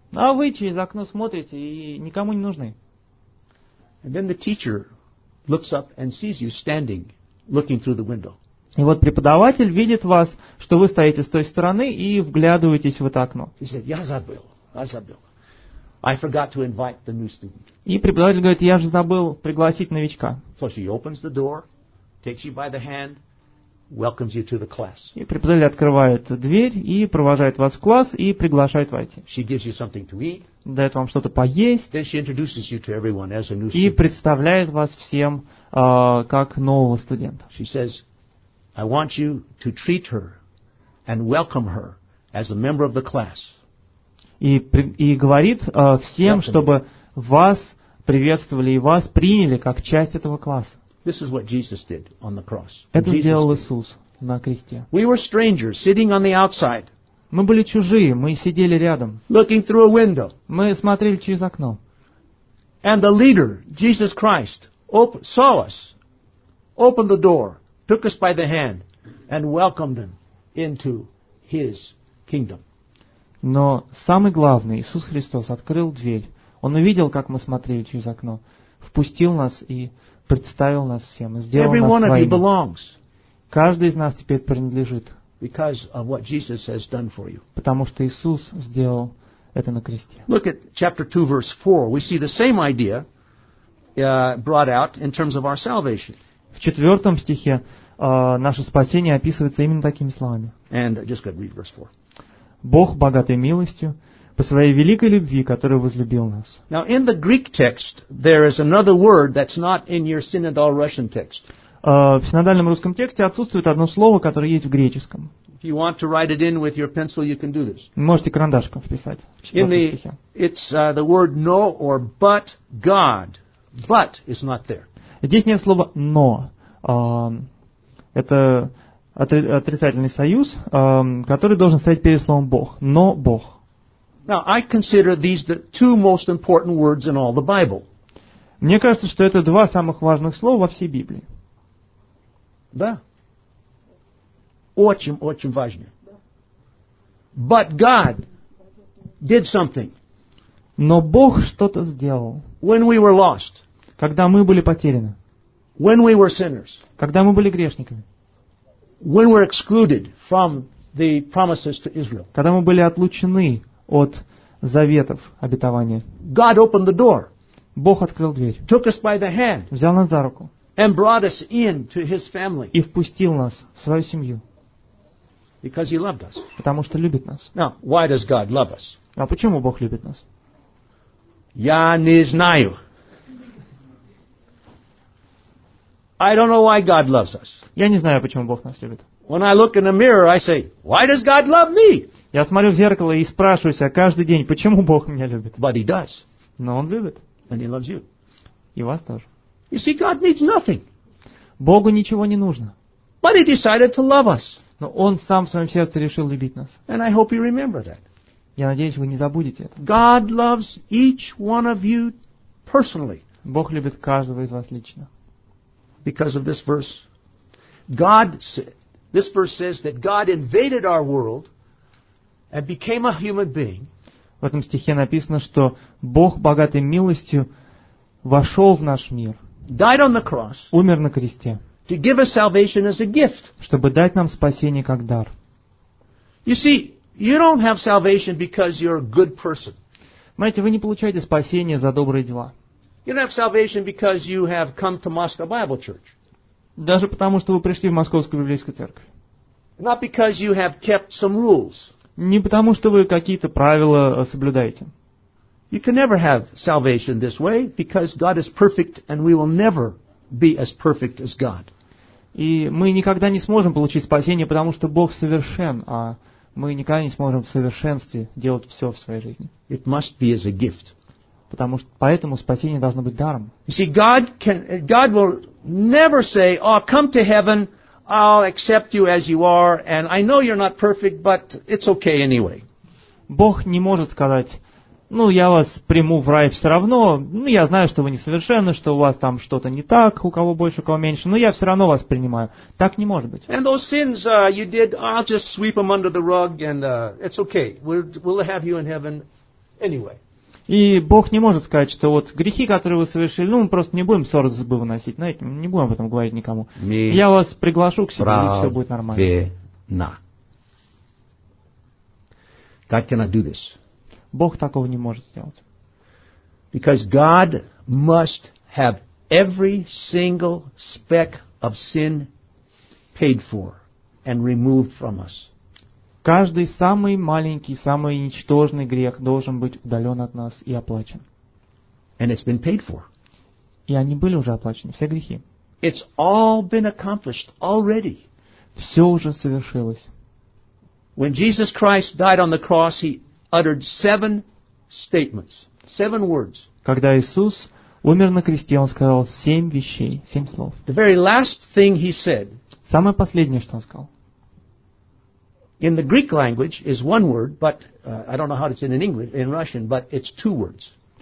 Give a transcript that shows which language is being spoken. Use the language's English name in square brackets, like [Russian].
[Russian] А вы через окно смотрите и никому не нужны. [English] And then the teacher looks up and sees you standing, looking through the window. [Russian] И вот преподаватель видит вас, что вы стоите с той стороны и вглядываетесь в это окно. [English] He said, [Russian] я забыл. [English] I forgot to invite the new student. [Russian] И преподаватель говорит, я же забыл пригласить новичка. [English] So she opens the door, takes you by the hand, welcomes you to the class. [Russian] И преподаватель открывает дверь и провожает вас в класс и приглашает войти. [English] She gives you something to eat. [Russian] Дает вам что-то поесть. [English] Then she introduces you to everyone as a new student. [Russian] И представляет вас всем как нового студента. [English] She says, I want you to treat her and welcome her as a member of the class. [Russian] И говорит всем, чтобы вас приветствовали и вас приняли как часть этого класса. [English] This is what Jesus did on the cross. [Russian] Это сделал Иисус на кресте. [English] We were strangers sitting on the outside. [Russian] Мы были чужие, мы сидели рядом. [English] Looking through a window. [Russian] Мы смотрели через окно. [English] And the leader, Jesus Christ, saw us, opened the door, took us by the hand, and welcomed them into his kingdom. [Russian] Но самый главный, Иисус Христос, открыл дверь. Он увидел, как мы смотрели через окно, впустил нас и представил нас всем, сделал [English] Every [Russian] нас своими. [English] Of you belongs. [Russian] Каждый из нас теперь принадлежит. [English] Because of what Jesus has done for you. [Russian] Потому что Иисус сделал это на кресте. [English] Look at chapter 2, verse 4. We see the same idea brought out in terms of our salvation. [Russian] В 4 стихе наше спасение описывается именно такими словами. [English] And just go read verse 4. [Russian] Бог, богатый милостью, по своей великой любви, которую возлюбил нас. [English] Now, in the Greek text, there is another word that's not in your Synodal Russian text. [Russian] В синодальном русском тексте отсутствует одно слово, которое есть в греческом. [English] If you want to write it in with your pencil, you can do this. [Russian] Можете карандашком вписать. [English] In the, it's the word no or but God. But is not there. [Russian] Здесь нет слова но. Это отрицательный союз, который должен стоять перед словом Бог. Но Бог. [English] Now, I consider these the two most important words in all the Bible. [Russian] Мне кажется, что это два самых важных слова во всей Библии. Да. Очень, очень важно. [English] But God did something. [Russian] Но Бог что-то сделал. [English] When we were lost. [Russian] Когда мы были потеряны. [English] When we were sinners. [Russian] Когда мы были грешниками. [English] When we were excluded from the promises to Israel. [Russian] Когда мы были отлучены от заветов обетования. [English] God opened the door. [Russian] Бог открыл дверь. [English] Took us by the hand. [Russian] Взял нас за руку. [English] And brought us into his family. [Russian] И впустил нас в свою семью. [English] Because he loved us. [Russian] Потому что любит нас. [English] Now, why does God love us? [Russian] А почему Бог любит нас? Я не знаю. [English] I don't know why God loves us. [Russian] Я не знаю, почему Бог нас любит. [English] When I look in the mirror, I say, why does God love me? [Russian] Я смотрю в зеркало и спрашиваю себя каждый день, почему Бог меня любит? [English] But he does. [Russian] Но он любит. [English] And he loves you. [Russian] И вас тоже. [English] You see, God needs nothing. [Russian] Богу ничего не нужно. [English] But he decided to love us. [Russian] Но он сам в своем сердце решил любить нас. [English] And I hope you remember that. [Russian] Я надеюсь, вы не забудете это. [English] God loves each one of you personally. [Russian] Бог любит каждого из вас лично. [English] Because of this verse. This verse says that God invaded our world and became a human being. [Russian] В этом стихе написано, что Бог, богатый милостью, вошел в наш мир. [English] Died on the cross. [Russian] Умер на кресте. [English] To give us salvation as a gift. [Russian] Чтобы дать нам спасение как дар. [English] You see, you don't have salvation because you're a good person. [Russian] Знаете, вы не получаете спасение за добрые дела. [English] You don't have salvation because you have come to Moscow Bible Church. [Russian] Даже потому, что вы пришли в Московскую библейскую церковь. [English] Not because you have kept some rules. [Russian] Не потому, что вы какие-то правила соблюдаете. [English] You can never have salvation this way because God is perfect and we will never be as perfect as God. [Russian] И мы никогда не сможем получить спасение, потому что Бог совершен, а мы никогда не сможем в совершенстве делать все в своей жизни. [English] It must be as a gift. [Russian] Потому что поэтому спасение должно быть даром. [English] You see, God will never say, "Oh, come to heaven, I'll accept you as you are, and I know you're not perfect, but it's okay anyway." [Russian] Бог не может сказать: ну, я вас приму в рай все равно. Ну, я знаю, что вы несовершенны, что у вас там что-то не так, у кого больше, у кого меньше. Но я все равно вас принимаю. Так не может быть. [English] And those sins you did, I'll just sweep them under the rug, and it's okay. We'll have you in heaven anyway. [Russian] И Бог не может сказать, что вот грехи, которые вы совершили, ну, мы просто не будем ссор зубы выносить, знаете, не будем об этом говорить никому. Я вас приглашу к себе, и все будет нормально. [English] God cannot do this. [Russian] Бог такого не может сделать. [English] Because God must have every single speck of sin paid for and removed from us. [Russian] Каждый самый маленький, самый ничтожный грех должен быть удален от нас и оплачен. [English] And it's been paid for. [Russian] И они были уже оплачены, все грехи. [English] It's all been accomplished already. [Russian] Все уже совершилось. [English] When Jesus Christ died on the cross, he uttered seven statements, seven words. [Russian] Когда Иисус умер на кресте, он сказал семь вещей, семь слов. [English] The very last thing he said. [Russian] Самое последнее, что он сказал. [English] In the Greek language is one word, but I don't know how it's in English, in Russian, but it's two words.